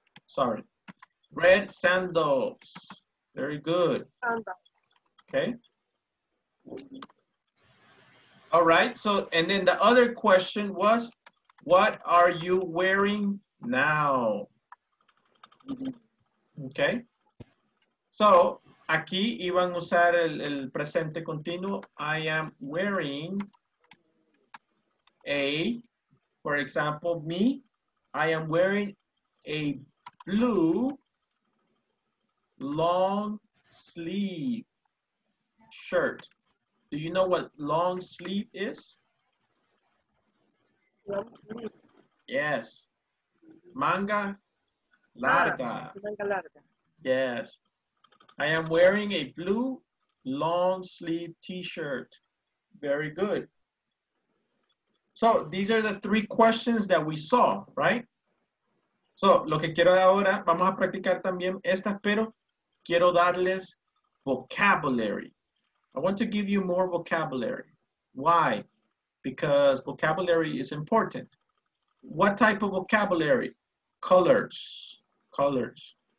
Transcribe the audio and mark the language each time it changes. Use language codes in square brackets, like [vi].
[en] Sorry. Red sandals. Very good. Sandals. Okay. All right, so, and then the other question was, what are you wearing now? Okay. [es] So, aquí iban a usar el presente continuo. [en] I am wearing a, for example, me, I am wearing a blue long sleeve shirt. Do you know what long sleeve is? Long sleeve. [es] Yes. Manga larga. Manga larga. [en] Yes. I am wearing a blue long sleeve t-shirt. Very good. So these are the three questions that we saw, right? [es] So lo que quiero ahora, vamos a practicar también estas, pero quiero darles vocabulary. [en] I want to give you more vocabulary. Why? Because vocabulary is important. What type of vocabulary? Colors. Colors.